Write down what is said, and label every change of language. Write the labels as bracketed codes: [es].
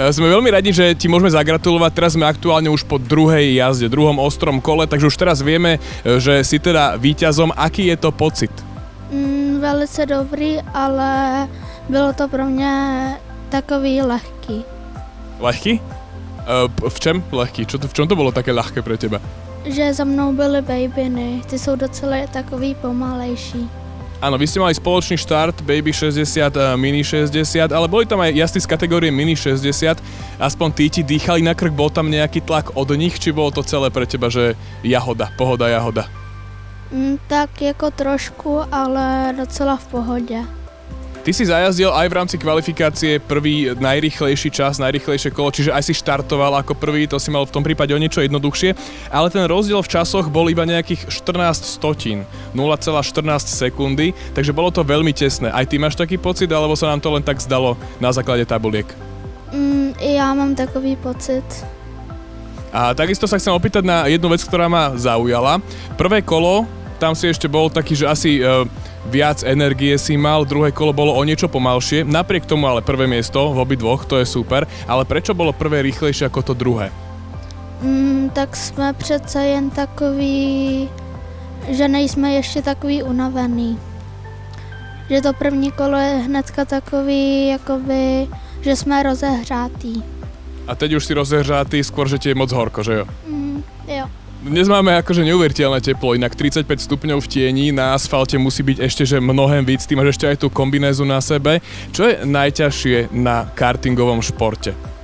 [sk] Sme veľmi radi, že ti môžeme zagratulovať. Teraz sme aktuálne už po druhej jazde, druhom ostrom kole, takže už teraz vieme, že si teda víťazom. Aký je to pocit? [cs] Veľce dobrý, ale bylo to pro mňa takový ľahký. [sk] Ľahký? V čom ľahký? V čom to bolo také ľahké pre teba? [cs] Že za mnou byly babyny, ty jsou docela takový pomalejší. Ano, vy jste [sk] mali společný štart Baby 60 a Mini 60, ale byly tam aj jazdy z kategorie Mini 60, aspoň tí ti dýchali na krk, bol tam nějaký tlak od nich, či bylo to celé pro teba, že jahoda, pohoda, jahoda? [cs] Tak jako trošku, ale docela v pohodě. [sk] Ty si zajazdil aj v rámci kvalifikácie prvý najrychlejší čas, najrychlejšie kolo, čiže aj si štartoval ako prvý, to si mal v tom prípade o niečo jednoduchšie, ale ten rozdiel v časoch bol iba nejakých 14 stotín, 0,14 sekundy, takže bolo to veľmi tesné. Aj ty máš taký pocit, alebo sa nám to len tak zdalo na základe tabuliek? [cs] Ja mám takový pocit. [sk] A takisto sa chcem opýtať na jednu vec, ktorá ma zaujala. Prvé kolo, tam si ešte bol taký, že asi viac energie si mal, druhé kolo bolo o niečo pomalšie, napriek tomu ale prvé miesto v obi dvoch, to je super, ale prečo bolo prvé rýchlejšie ako to druhé? [cs] Tak sme predsa jen takový, že nejsme ešte takový unavený. Že to první kolo je hnedka takový, jakoby, že sme rozehrátí. A teď už si rozehrátý, skôr, že ti je moc horko, že jo? Jo. [sk] Dnes máme akože neuveriteľné teplo, inak 35 stupňov v tieni, na asfalte musí byť ešte že [cs] mnohem víc, [sk] ty máš ešte aj tú kombinézu na sebe. Čo je najťažšie na kartingovom športe?